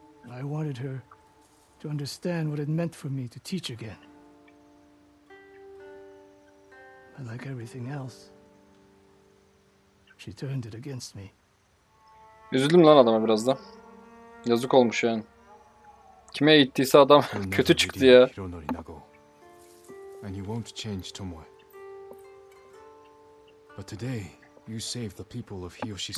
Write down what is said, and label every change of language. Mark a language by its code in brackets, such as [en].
[en] I wanted her to understand what it meant for me to teach again. But like everything else, she turned it against me. [tr] Üzüldüm lan adama biraz da. Yazık olmuş yani. Kime eğittiyse adam kötü çıktı ya. [en] And you won't change Tomoe. But today, you saved the people of Hiyoshi.